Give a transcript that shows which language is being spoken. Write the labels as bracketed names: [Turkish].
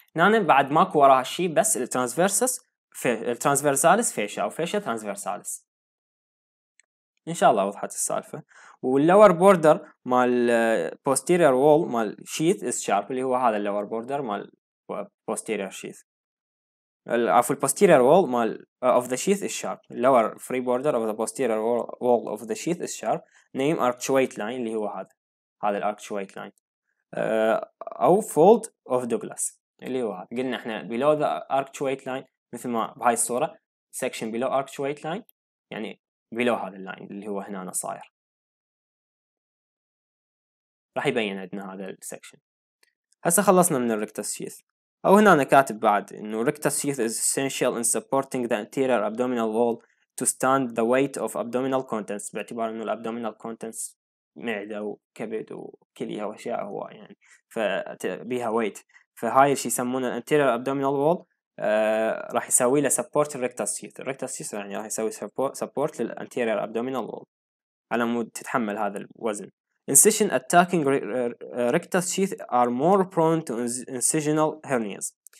[Arabic] هنا بعد ماكو وراها شيء بس الترانسفيرسالس فيشا او فيشا ترانسفيرسالس. ان شاء الله وضحت السالفة. واللور بوردر مال posterior wall مال [English] sheath is sharp [Arabic] اللي هو هذا اللور بوردر مال posterior sheath. عفوا [English] posterior wall مال of the sheath is sharp. اللور free border of the posterior wall of the sheath is sharp. name arctuate line [Arabic] اللي هو هذا الarctuate line أو fold of Douglas اللي هو هذا. قلنا احنا [English] below the arctuate line [Arabic] مثل ما بهاي الصورة [English] section below arctuate line [Arabic] يعني below هذا line اللي هو هنا صاير راح يبين عندنا هذا section. هسه خلصنا من [English] rectus sheath [Arabic] أو هنا أنا كاتب بعد إنه [English] rectus sheath is essential in supporting the anterior abdominal wall to stand the weight of abdominal contents [Arabic] باعتبار إنه [English] abdominal contents [Arabic] معدة وكبد وكليه وأشياء هو يعني فبيها ويت. فهاي الشيء يسمونه anterior abdominal wall راح يسوي له support rectus sheath. rectus sheath يعني راح يسوي support للanterior abdominal wall على مود تتحمل هذا الوزن. [English] incision attacking rectus sheath are more prone to incisional hernias.